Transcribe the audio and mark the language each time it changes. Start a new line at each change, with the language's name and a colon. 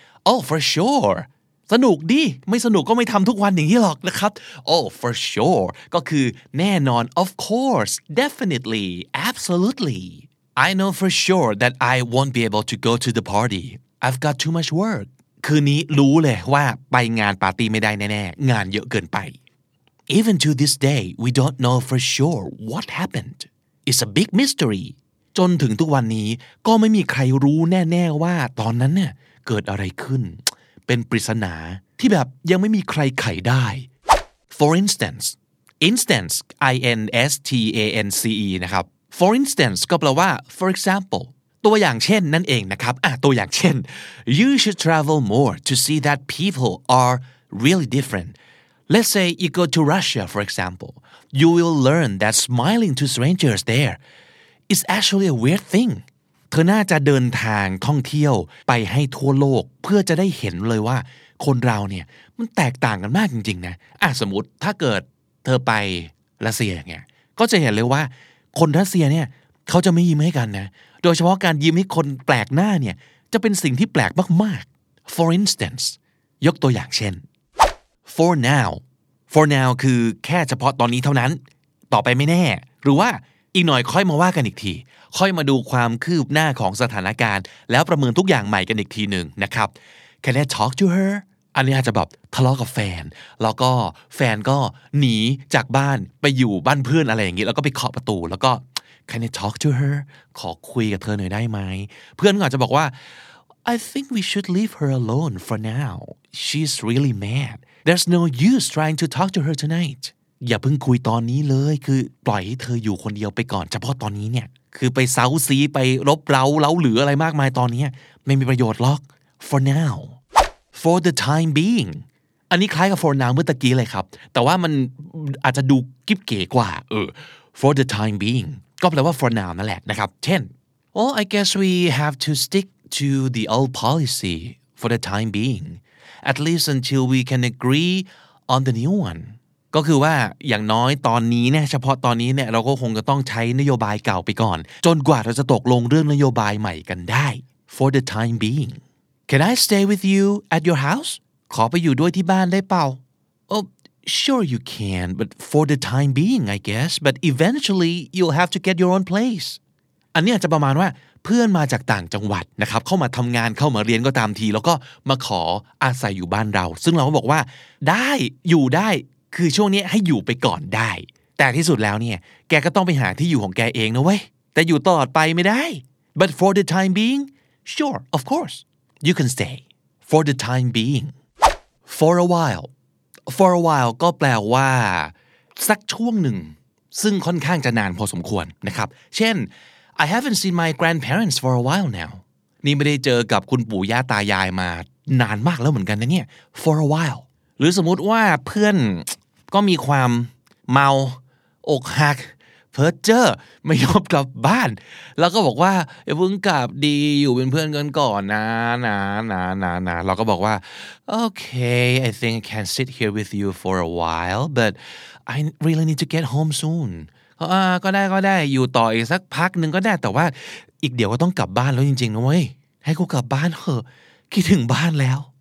English: Oh, for sure
Thai: สนุกดิไม่สนุกก็ไม่ทำทุกวันอย่างนี้หรอกนะครับ
English: Oh, for sure
Thai: ก็คือแน่นอน
English: Of course, definitely, absolutely I know for sure that I won't be able to go to the party I've got too much work
Thai: คืนนี้รู้เลยว่าไปงานปาร์ตี้ไม่ได้แน่ๆงานเยอะเกินไป
English: Even to this day, we don't know for sure what happened. It's a big mystery.
Thai: จนถึงทุกวันนี้ก็ไม่มีใครรู้แน่ๆว่าตอนนั้นเนี่ยเกิดอะไรขึ้นเป็นปริศนาที่แบบยังไม่มีใครไขได้
English: For instance, instance, I-N-S-T-A-N-C-E
Thai: นะครับ
English: For instance
Thai: ก็แปลว่า
English: for example
Thai: ตัวอย่างเช่นนั่นเองนะครับตัวอย่างเช่น
English: You should travel more to see that people are really different. Let's say you go to Russia, for example. You will learn that smiling to strangers there is actually a weird thing.
Thai: เธอน่าจะเดินทางท่องเที่ยวไปให้ทั่วโลกเพื่อจะได้เห็นเลยว่าคนเราเนี่ยมันแตกต่างกันมากจริงๆนะสมมติถ้าเกิดเธอไปรัสเซียเนี่ยก็จะเห็นเลยว่าคนรัสเซียเนี่ยเขาจะไม่ยิ้มให้กันนะโดยเฉพาะการยิ้มให้คนแปลกหน้าเนี่ยจะเป็นสิ่งที่แปลกมาก
English: ๆ For instance,
Thai: ยกตัวอย่างเช่น
English: For now. For now
Thai: คือแค่เฉพาะตอนนี้เท่านั้นต่อไปไม่แน่หรือว่าอีกหน่อยค่อยมาว่ากันอีกทีค่อยมาดูความคืบหน้าของสถานการณ์แล้วประเมินทุกอย่างใหม่กันอีกทีหนึ่งนะครับ
English: Can I talk to her?
Thai: อันนี้อาจจะแบบทะเลาะกับแฟนแล้วก็แฟนก็หนีจากบ้านไปอยู่บ้านเพื่อนอะไรอย่างงี้แล้วก็ไปเคาะประตูแล้วก็
English: Can I talk to her?
Thai: ขอคุยกับเธอหน่อยได้ไหมเพื่อนก็อาจจะบอกว่า
English: I think we should leave her alone for now. She's really madThere's no use trying to talk to her tonight.
Thai: อย่าเพิ่งคุยตอนนี้เลยคือปล่อยให้เธออยู่คนเดียวไปก่อนเฉพาะตอนนี้เนี่ยคือไปเซาซีไปรบเร้าเล้าเหลืออะไรมากมายตอนนี้ไม่มีประโยชน์หรอก
English: For now. For the time being.
Thai: อันนี้คล้ายกับ
English: for now
Thai: เมื่อตะกี้เลยครับแต่ว่ามันอาจจะดูกิ๊บเก๋กว่า
English: For the time being.
Thai: ก็แปลว่า
English: for now
Thai: นั่นแหละนะครับเช่น
English: Well, I guess we have to stick to the old policy for the time beingAt least until we can agree on the new one.
Thai: ก็คือว่าอย่างน้อยตอนนี้เนี่ยเฉพาะตอนนี้เนี่ยเราก็คงจะต้องใช้นโยบายเก่าไปก่อนจนกว่าเราจะตกลงเรื่องนโยบายใหม่กันได้
English: For the time being. Can I stay with you at your house?
Thai: ขอไปอยู่ด้วยที่บ้านได้เปล่า
English: Oh, sure you can, but for the time being, I guess. But eventually, you'll have to get your own place.
Thai: อันนี้จะประมาณว่าเพื่อนมาจากต่างจังหวัดนะครับเข้ามาทำงานเข้ามาเรียนก็ตามทีแล้วก็มาขออาศัยอยู่บ้านเราซึ่งเราก็บอกว่าได้อยู่ได้คือช่วงนี้ให้อยู่ไปก่อนได้แต่ที่สุดแล้วเนี่ยแกก็ต้องไปหาที่อยู่ของแกเองนะเว้ยแต่อยู่ตลอดไปไม่ได้
English: But for the time being, sure, of course, you can stay. For the time being, for a while.
Thai: For a while ก็แปลว่าสักช่วงหนึ่งซึ่งค่อนข้างจะนานพอสมควรนะครับเช่น
English: I haven't seen my grandparents for a while now
Thai: นี่ไม่ได้เจอกับคุณปู่ย่าตายายมานานมากแล้วเหมือนกันนะเนี่ย For a while หรือสมมุติว่าเพื่อนก็มีความเมาอกหักเพ้อเจ้อไม่ยอมกลับบ้านแล้วก็บอกว่าเพิ่งกลับดีอยู่เป็นเพื่อนกันก่อนนะนะนะนะเราก็บอกว่า
English: okay I think I can sit here with you for a while but I really need to get home soon
Thai: ก็ได้ก็ได้อยู่ต่ออีกสักพักนึงก็ได้แต่ว่าอีกเดี๋ยวก็ต้องกลับบ้านแล้วจริงๆนะเว้ยให้กูกลับบ้านเถอะคิดถึงบ้านแล้ว